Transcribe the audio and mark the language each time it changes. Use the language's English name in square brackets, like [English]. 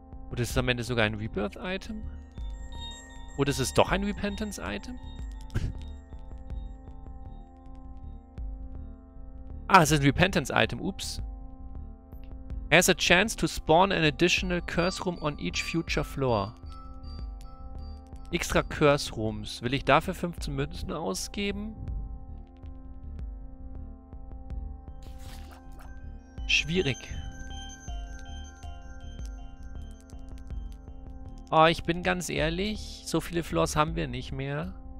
[German] Oder ist es am Ende sogar ein Rebirth-Item? Oder ist es doch ein Repentance-Item? Ah, es ist ein Repentance-Item. Ups. [English] Has a chance to spawn an additional curse room on each future floor. Extra curse rooms. [German] Will ich dafür 15 Münzen ausgeben? Schwierig. Oh, ich bin ganz ehrlich, so viele Floors haben wir nicht mehr.